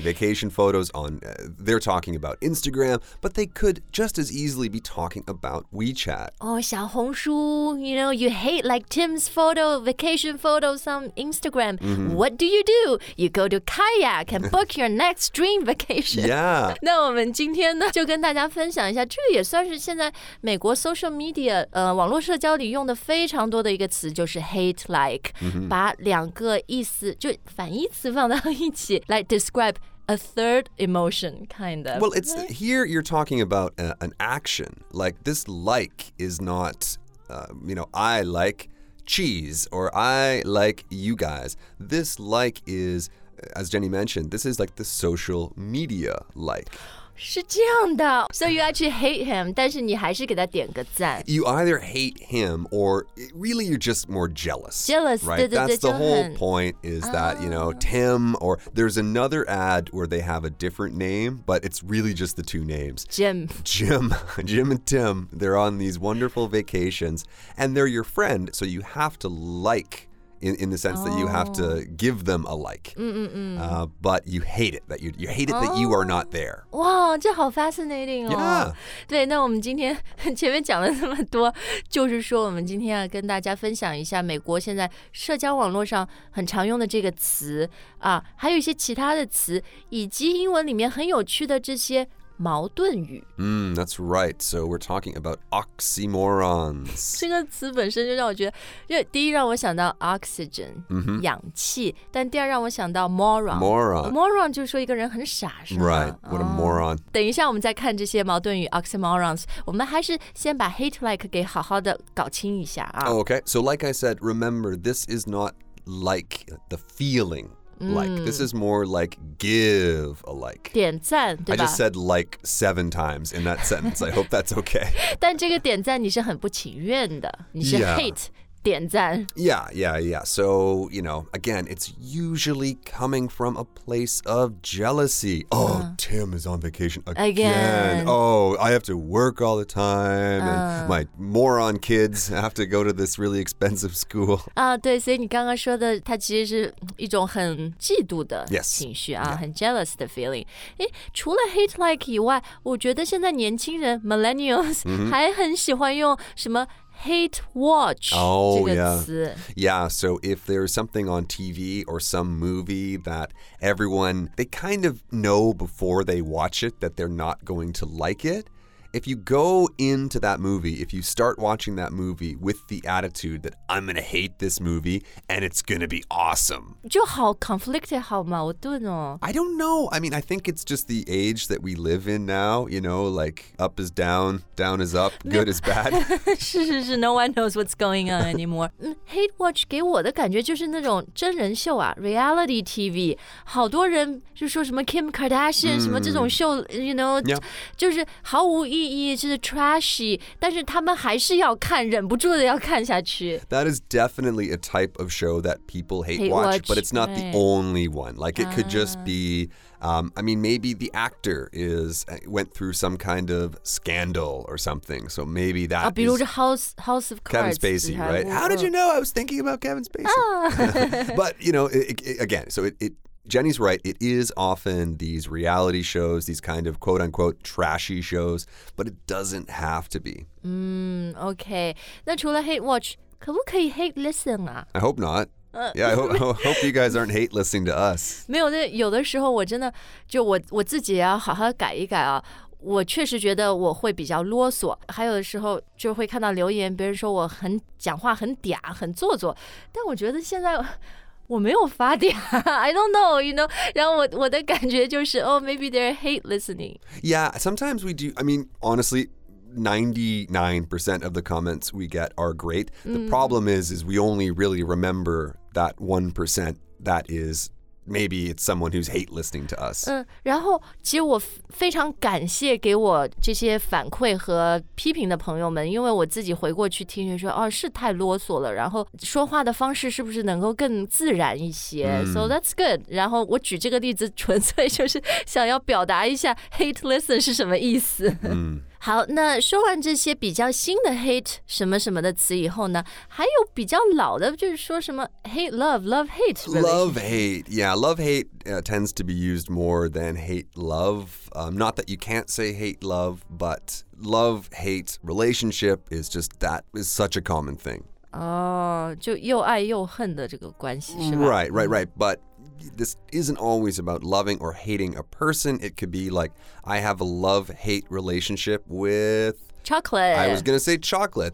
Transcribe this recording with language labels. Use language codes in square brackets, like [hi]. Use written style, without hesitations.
[en] Vacation photos on, they're talking about Instagram, but they could just as easily be talking about WeChat. Oh, 小红书, you know, you hate like Tim's photo, vacation photos on Instagram. Mm-hmm. What do? You go to Kayak and book your next dream vacation. Yeah. [zh] 那我们今天呢,就跟大家分享一下,这也算是现在美国 social media, 网络社交里用的非常多的一个词,就是 hate like,、 mm-hmm. 把两个意思,就反义词放到一起来 [en] describe a third emotion, kind of. Well, it's, here you're talking about an action. Like, this like is not, you know, I like cheese or I like you guys. This like is, as Jenny mentioned, this is like the social media like. [zh] 是这样的 [en] So you actually hate him [zh] 但是你还是给他点个赞 [en] You either hate him Or really you're just more jealous Jealous、 right? [zh] 对对对 [en] That's the whole point Is that、you know Tim or There's another ad Where they have a different name But it's really just the two names Jim and Tim They're on these wonderful vacations And they're your friend So you have to likeIn the sense、oh. that you have to give them a like. But you hate it. That you hate it、oh. that you are not there. [zh] Wow, 这好 fascinating 哦。 [en] Yeah. [zh] 对，那我们今天前面讲了这么多，就是说我们今天要跟大家分享一下美国现在社交网络上很常用的这个词啊，还有一些其他的词，以及英文里面很有趣的这些矛盾语。 [en] That's right. So we're talking about oxymorons. [zh] 这个词本身就让我觉得，因为第一让我想到 oxygen,、 mm-hmm. 氧气，但第二让我想到 moron. [en] Moron. [zh] Moron 就是说一个人很傻，是吗 [en] ？Right. What a moron.、 Oh. [zh] 等一下，我们再看这些矛盾语 oxymorons. 我们还是先把 hate like 给好好的搞清一下啊。 [en] Oh, okay. So like I said, remember this is not like the feeling. Like, this is more like give a like. [zh] 点赞对吧 [en] I just said like 7 times in that sentence. I hope that's okay. [zh] 但这个点赞你是很不情愿的。你是 hate 点赞。 [en] Yeah, yeah, yeah. So, you know, again, it's usually coming from a place of jealousy. Oh, Tim is on vacation again. Oh, I have to work all the time. And my moron kids have to go to this really expensive school. [zh] 对，所以你刚刚说的，它其实是一种很嫉妒的情绪啊， [en] yes. yeah. [zh] 很 jealous 的 feeling. 除了 hate like 以外，我觉得现在年轻人 millennials、 mm-hmm. 还很喜欢用什么Hate watch、 oh, 这个词 yeah. [en] yeah, so if there's something on TV or some movie that everyone, they kind of know before they watch it that they're not going to like it. If you go into that movie, if you start watching that movie with the attitude that I'm going to hate this movie and it's going to be awesome. [zh] 就好 conflicted, 好矛盾哦。 [en] I don't know. I mean, I think it's just the age that we live in now, you know, like up is down, down is up, good is bad. [zh] 是是是, [en] no one knows what's going on anymore. [zh] Hate watch 给我的感觉就是那种真人秀啊, reality TV. 好多人就说什么 Kim Kardashian, 什么这种秀, [en] you know,、 yeah. [zh] 就是毫无意义就是 trashy 但是他们还是要看忍不住的要看下去 [en] That is definitely a type of show that people hate watch but it's not the only one like it could just be、I mean maybe the actor is went through some kind of scandal or something so maybe that、 [zh] 比如说 House of Cards [en] Kevin Spacey right how did you know I was thinking about Kevin Spacey、but you know it, again so itJenny's right, it is often these reality shows, these kind of quote-unquote trashy shows, but it doesn't have to be. Okay. [zh] 那除了 hate watch, 可不可以 hate listen 啊? [en] I hope not. Yeah, I hope you guys aren't hate listening to us. [zh] 没有,有的时候我真的,就我自己要好好改一改啊。我确实觉得我会比较啰嗦，还有的时候就会看到留言,别人说我很讲话很嗲,很做作,但我觉得现在我没有发嗲 [en] I don't know, you know. [zh] 然后我的感觉就是 [en] oh, maybe they're hate listening. Yeah, sometimes we do. I mean, honestly, 99% of the comments we get are great. The problem is we only really remember that 1% that is maybe it's someone who's hate listening to us. [zh] 然后其实我非常感谢给我这些反馈和批评的朋友们，因为我自己回过去听说，哦，是太啰嗦了，然后说话的方式是不是能够更自然一些。 [en] So that's good. [zh] 然后我举这个例子纯粹就是想要表达一下 hate listen 是什么意思。好，那说完这些比较新的 hate 什么什么的词以后呢，还有比较老的，就是说什么 hate love, love hate,、really. [en] Love hate, yeah, love hate、tends to be used more than hate love.、not that you can't say hate love, but love hate relationship is just that is such a common thing. [zh] Oh, 就又爱又恨的这个关系是吧？ [en] Right, right, right, but... This isn't always about loving or hating a person. It could be like, I have a love-hate relationship with... Chocolate. I was going to say chocolate.